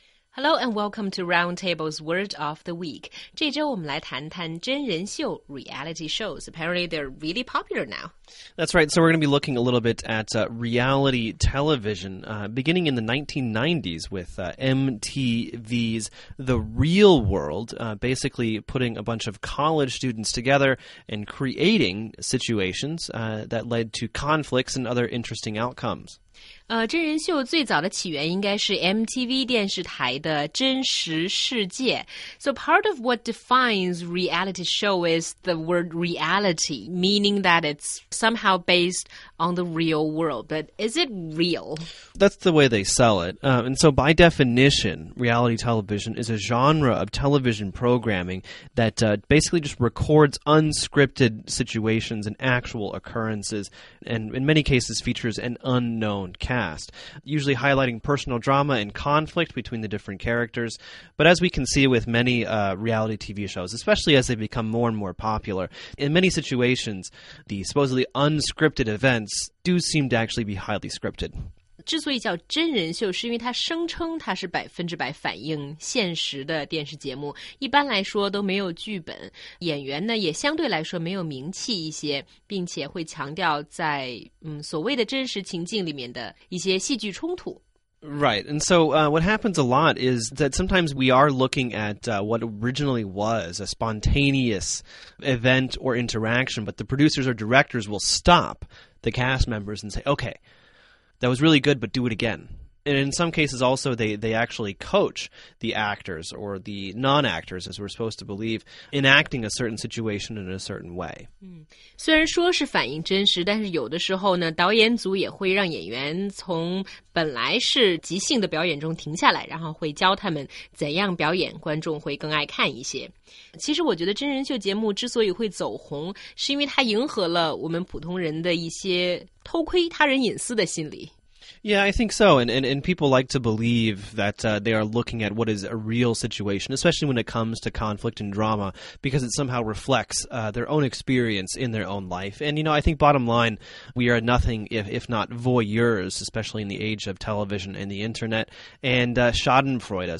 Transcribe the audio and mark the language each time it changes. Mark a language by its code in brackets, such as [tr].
[en] Hello and welcome to Roundtable's Word of the Week. [zh] 这周我们来谈谈真人秀 [en] reality shows. Apparently, they're really popular now. That's right. So we're going to be looking a little bit at reality television, beginning in the 1990s with MTV's The Real World, basically putting a bunch of college students together and creating situations that led to conflicts and other interesting outcomes. [zh] 真人秀最早的起源应该是 MTV 电视台的真实世界。 [en] So part of what defines reality show is the word reality, meaning that it's somehow based on the real world. But is it real? That's the way they sell it. And so by definition, reality television is a genre of television programming that basically just records unscripted situations and actual occurrences, and in many cases features an unknown cast, usually highlighting personal drama and conflict between the different characters. But as we can see with many reality TV shows, especially as they become more and more popular, in many situations, the supposedly unscripted events do seem to actually be highly scripted. [zh] 之所以叫真人秀是因为它声称它是百分之百反映现实的电视节目，一般来说都没有剧本，演员呢也相对来说没有名气一些，并且会强调在所谓的真实情境里面的一些戏剧冲突。 [en] Right, and so what happens a lot is that sometimes we are looking at what originally was a spontaneous event or interaction, but the producers or directors will stop the cast members and say, okay,that was really good, but do it again. And in some cases also, they actually coach the actors or the non-actors, as we're supposed to believe, in acting a certain situation in a certain way. [zh] 虽然说是反映真实，但是有的时候呢，导演组也会让演员从本来是即兴的表演中停下来，然后会教他们怎样表演，观众会更爱看一些。其实我觉得真人秀节目之所以会走红，是因为它迎合了我们普通人的一些偷窥他人隐私的心理。 [en] Yeah, I think so. And people like to believe that they are looking at what is a real situation, especially when it comes to conflict and drama, because it somehow reflects their own experience in their own life. And, you know, I think bottom line, we are nothing if not voyeurs, especially in the age of television and the internet, and schadenfreude.